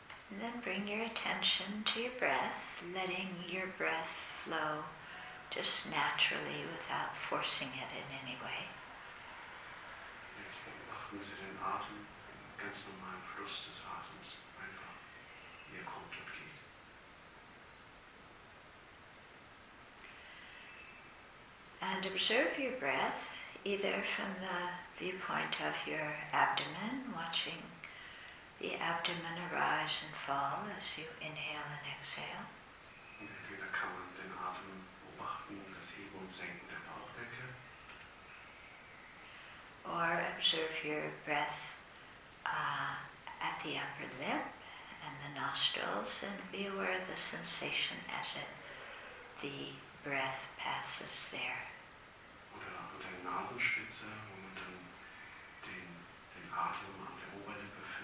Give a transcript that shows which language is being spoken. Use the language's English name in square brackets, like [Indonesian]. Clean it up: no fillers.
[English] And then bring your attention to your breath, letting your breath flow just naturally without forcing it in any way. [German] Jetzt beobachten Sie den Atem, den ganz normalen Fluss des Atems, einfach wie er kommt und geht. [English] And observe your breath, either from the viewpoint of your abdomen, watching the abdomen arise and fall as you inhale and exhale. [German] Entweder kann man den Atem beobachten, das Heben und Senken der Bauchdecke. [English] Or observe your breath at the upper lip and the nostrils, and be aware of the sensation as the breath passes there. [German] Oder an der Nasenspitze, wo man dann den Atem an der Oberlippe.